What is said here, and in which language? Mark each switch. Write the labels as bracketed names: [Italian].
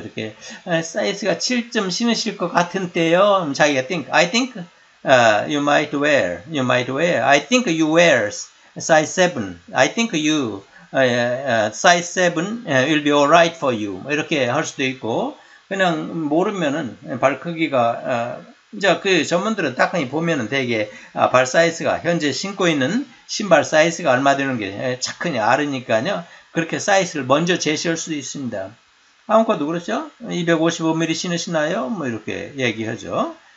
[Korean] 이렇게 사이즈가 7쯤 신으실 것 같은데요. 자기가 [English] I think. You might wear. I think you wear. size 7. I think you, size 7 will be alright for you. [Korean] 이렇게 할 수도 있고, 그냥 모르면은 발 크기가, 이제 그 전문들은 딱 보면은 되게 발 사이즈가, 현재 신고 있는 신발 사이즈가 얼마 되는 게 착 크냐, 아르니까요. 그렇게 사이즈를 먼저 제시할 수도 있습니다. 아무것도 그렇죠? 255mm 신으시나요? 뭐 이렇게 얘기하죠.